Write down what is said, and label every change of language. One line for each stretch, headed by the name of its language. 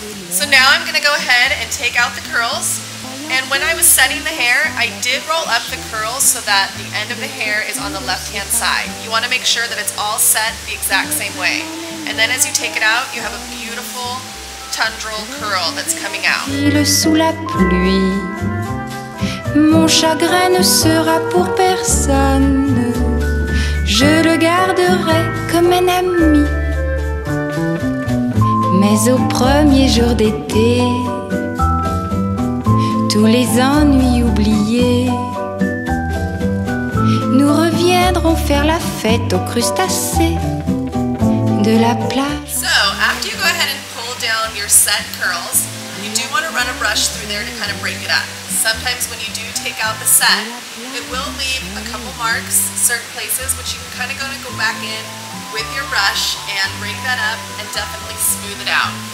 English: So now I'm going to go ahead and take out the curls. And when I was setting the hair, I did roll up the curls so that the end of the hair is on the left-hand side. You want to make sure that it's all set the exact same way. And then as you take it out, you have a beautiful tendril curl that's coming out.
French: Sous la pluie, mon chagrin ne sera pour personne. Je le garderai comme un ami. Mais au premier jour d'été, tous les ennuis oubliés, nous reviendrons faire la fête aux crustacés. De la place.
English: So, after you go ahead and pull down your set curls, you do want to run a brush through there to kind of break it up. Sometimes when you do take out the set, it will leave a couple marks, certain places, which you can kind of going to go back in with your brush and break that up and definitely smooth it out.